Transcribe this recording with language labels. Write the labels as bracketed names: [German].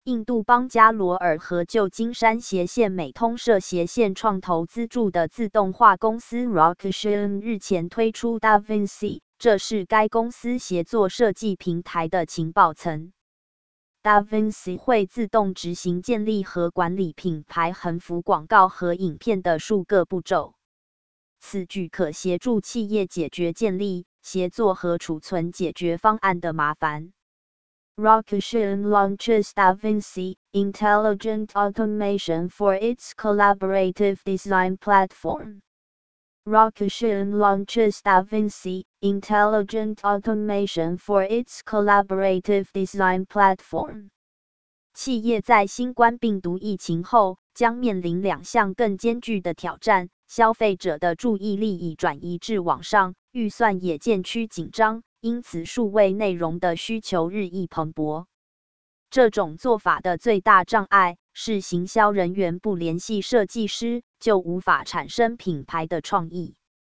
[Chinese] 印度邦加罗尔和旧金山斜线美通社斜线创投资助的自动化公司 RockSim 日前推出 DaVinci， 这是该公司协作设计平台的情报层。 DaVinci 会自动执行建立和管理品牌横幅广告和影片的数个步骤，此举可协助企业解决建立、协作和储存解决方案的麻烦。 [English] RockSim launches DaVinci, Intelligent Automation for its Collaborative Design Platform. RockSim launches DaVinci, Intelligent Automation for its Collaborative Design Platform. [Chinese] 企业在新冠病毒疫情后将面临两项更艰巨的挑战，消费者的注意力已转移至网上，预算也渐趋紧张，因此数位内容的需求日益蓬勃。这种做法的最大障碍是行销人员不联系设计师，就无法产生品牌的创意。